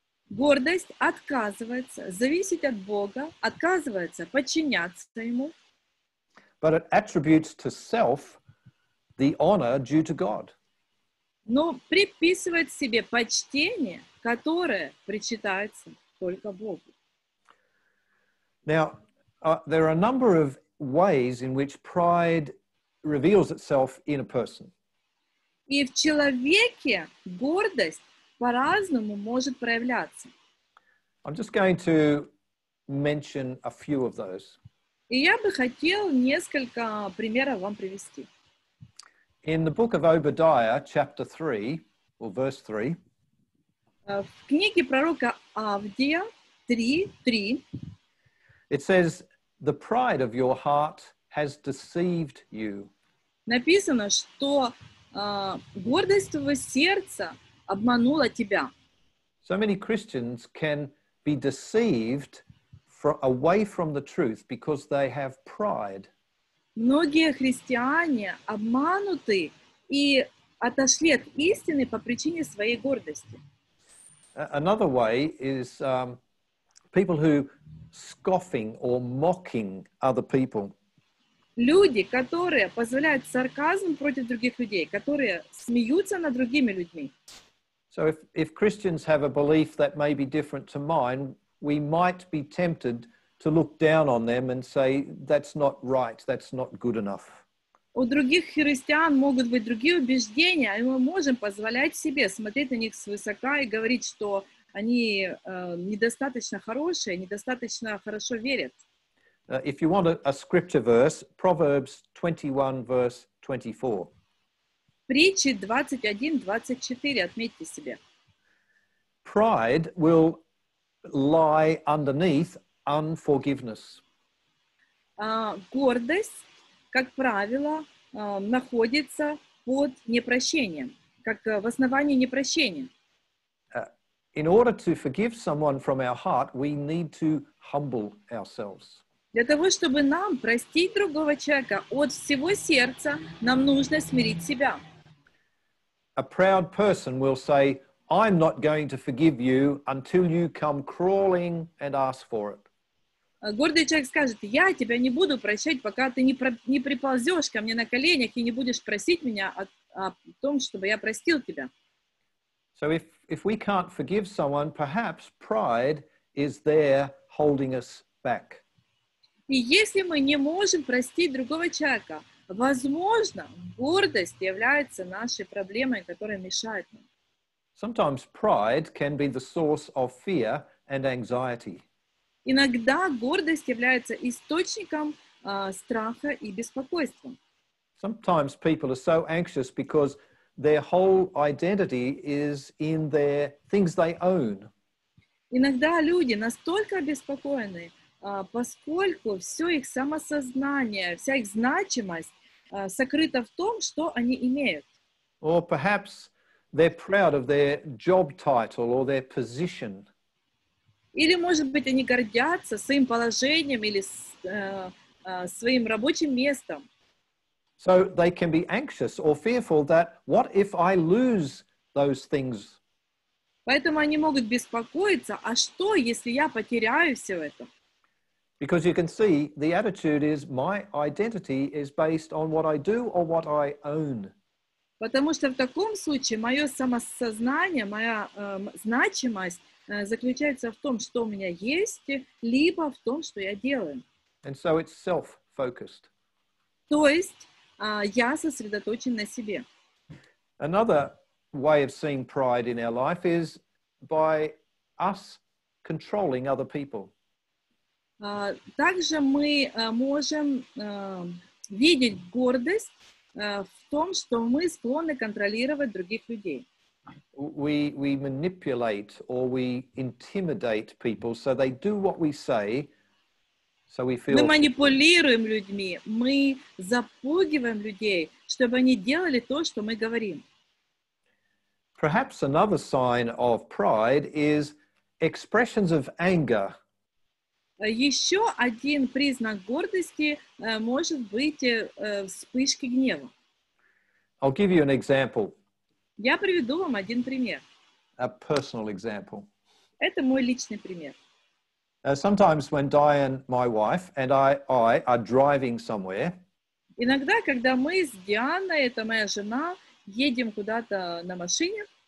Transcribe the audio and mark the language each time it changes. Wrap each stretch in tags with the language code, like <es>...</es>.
<ru>Гордость отказывается зависеть от Бога, отказывается подчиняться Ему.</ru> <en>But it attributes to self the honor due to God.</en> <ru>Но приписывает себе почтение, которое причитается только Богу.</ru> <en>Now, there are a number of ways in which pride reveals itself in a person.</en> <ru>И в человеке гордость по-разному может проявляться.</ru> <en>I'm just going to mention a few of those.</en> <ru>И я бы хотел несколько примеров вам привести.</ru> <en>In the book of Obadiah, chapter 3, or verse 3,</en> <ru>в книге пророка Авдия, 3:3,</ru> <en>it says, the pride of your heart has deceived you.</en> <ru>Написано, что гордость твоего сердца обманула тебя.</ru> <en>So many Christians can be deceived away from the truth because they have pride.</en> <ru>Многие христиане обмануты и отошли от истины по причине своей гордости.</ru> <en>Another way is people who scoffing or mocking other people.</en> <ru>Люди, которые позволяют сарказм против других людей, которые смеются над другими людьми.</ru> <en>So if Christians have a belief that may be different to mine, we might be tempted to look down on them and say, that's not right, that's not good enough.</en> <ru>У других христиан могут быть другие убеждения, и мы можем позволять себе смотреть на них свысока и говорить, что они недостаточно хорошие, недостаточно хорошо верят.</ru> <en>If you want a scripture verse, Proverbs 21, verse 24.</en> <ru>Притчи 21:24, отметьте себе.</ru> <en>Pride will lie underneath unforgiveness.</en> <ru>Гордость, как правило, находится под непрощением, как в основании непрощения.</ru> <en>In order to forgive someone from our heart, we need to humble ourselves.</en> <ru>Для того, чтобы нам простить другого человека от всего сердца, нам нужно смирить себя.</ru> <en>A proud person will say, I'm not going to forgive you until you come crawling and ask for it.</en> <ru>Гордый человек скажет, я тебя не буду прощать, пока ты не приползешь ко мне на коленях и не будешь просить меня о том, чтобы я простил тебя.</ru> <en>So if we can't forgive someone, perhaps pride is there holding us back.</en> <ru>И если мы не можем простить другого человека, возможно, гордость является нашей проблемой, которая мешает нам.</ru> <en>Sometimes pride can be the source of fear and anxiety.</en> <ru>Иногда гордость является источником страха и беспокойства.</ru> <en>Sometimes people are so anxious because their whole identity is in their things they own.</en> <ru>Иногда люди настолько обеспокоены, поскольку все их самосознание, вся их значимость сокрыта в том, что они имеют.</ru> <en>Or perhaps they're proud of their job title or their position.</en> <ru>Или, может быть, они гордятся своим положением или своим рабочим местом.</ru> <en>So they can be anxious or fearful that what if I lose those things?</en> <ru>Поэтому они могут беспокоиться, а что, если я потеряю все это?</ru> <en>Because you can see the attitude is my identity is based on what I do or what I own.</en> <ru>Потому что в таком случае мое самосознание, моя значимость заключается в том, что у меня есть, либо в том, что я делаю.</ru> <en>And so it's self-focused.</en> <ru>То есть я сосредоточен на себе.</ru> <en>Another way of seeing pride in our life is by us controlling other people.</en> <ru>Также мы можем видеть гордость в том, что мы склонны контролировать других людей.</ru> <en>We manipulate or we intimidate people so they do what we say, so we feel.</en> <ru>Мы манипулируем людьми, мы запугиваем людей, чтобы они делали то, что мы говорим.</ru> <en>Perhaps another sign of pride is expressions of anger.</en> <ru>Еще один признак гордости может быть вспышки гнева.</ru> <en>I'll give you an example.</en> <ru>Я приведу вам один пример.</ru> <en>A personal example.</en> <ru>Это мой личный пример.</ru> <en>Sometimes when Diane, my wife, and I are driving somewhere.</en> <ru>Иногда, когда мы с Дианой, это моя жена, едем куда-то на машине.</ru>